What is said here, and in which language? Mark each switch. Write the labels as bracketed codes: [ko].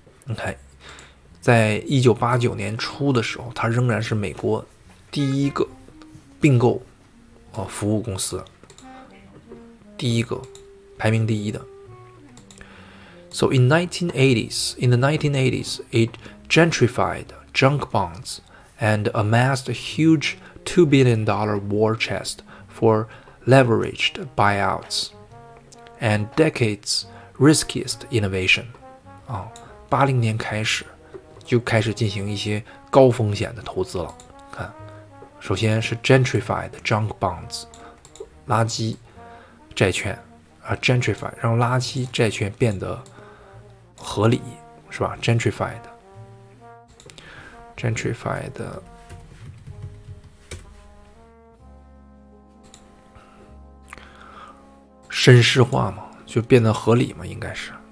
[zh] Okay, 在1989年初的时候，它仍然是美国第一个并购服务公司。第一个排名第一的。 [en] So in 1980s, in the 1980s, it gentrified junk bonds and amassed a huge $2 billion war chest for leveraged buyouts and decades riskiest innovation. [zh] 80年开始就开始进行一些高风险的投资了。看，首先是 [en] gentrified junk bonds, [zh] 垃圾债券啊 ,gentrified, 让垃圾债券变得合理，是吧 ,gentrified,gentrified, 绅士化嘛，就变得合理嘛，应该是。